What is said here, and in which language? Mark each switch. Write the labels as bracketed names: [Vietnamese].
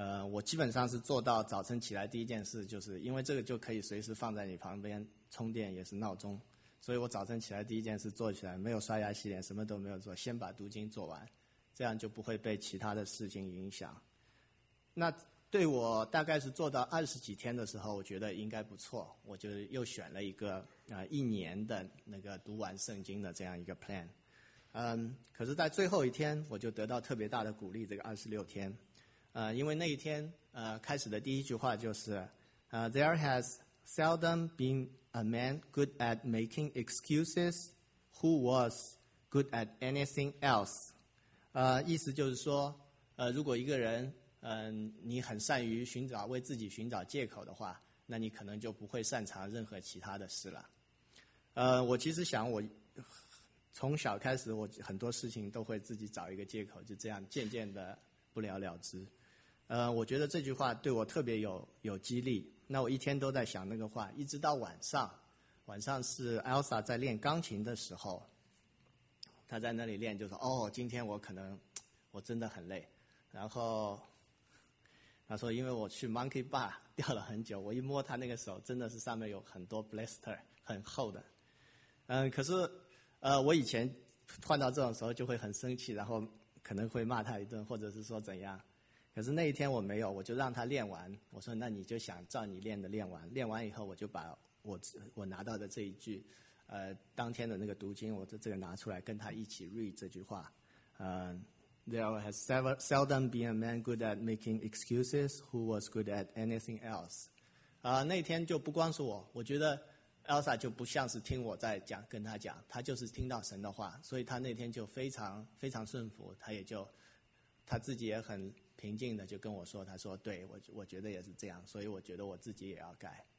[Chinese] 我基本上是做到早晨起来第一件事，就是因为这个就可以随时放在你旁边充电，也是闹钟，所以我早晨起来第一件事做起来，没有刷牙洗脸，什么都没有做，先把读经做完，这样就不会被其他的事情影响。那对我大概是做到二十几天的时候，我觉得应该不错，我就又选了一个一年的那个读完圣经的这样一个 plan。嗯，可是在最后一天我就得到特别大的鼓励，这个二十六天。因为那一天开始的第一句话就是 [English] There has seldom been a man good at making excuses who was good at anything else。 [Chinese] 意思就是说如果一个人你很善于寻找为自己寻找借口的话，那你可能就不会擅长任何其他的事了。我其实想，我从小开始我很多事情都会自己找一个借口，就这样渐渐的不了了之。我觉得这句话对我特别有激励，那我一天都在想那个话，一直到晚上是 Elsa 在练钢琴的时候，她在那里练，就说哦，今天我真的很累，然后他说因为我去 Monkey Bar 掉了很久，我一摸他那个手真的是上面有很多 blister， 很厚的。可是我以前换到这种时候就会很生气，然后可能会骂他一顿或者是说怎样，可是那一天我没有，我就让他练完，我说那你就想照你练的练完，练完以后我就把我拿到的这一句当天的那个读经，我这个拿出来跟他一起 read 这句话。 [English] There has seldom been a man good at making excuses who was good at anything else。 [Chinese] 那天就不光是我觉得 Elsa 就不像是听我在讲，跟他讲，他就是听到神的话，所以他那天就非常非常顺服，他也就他自己也很平静的就跟我说，他说对，我觉得也是这样，所以我觉得我自己也要改。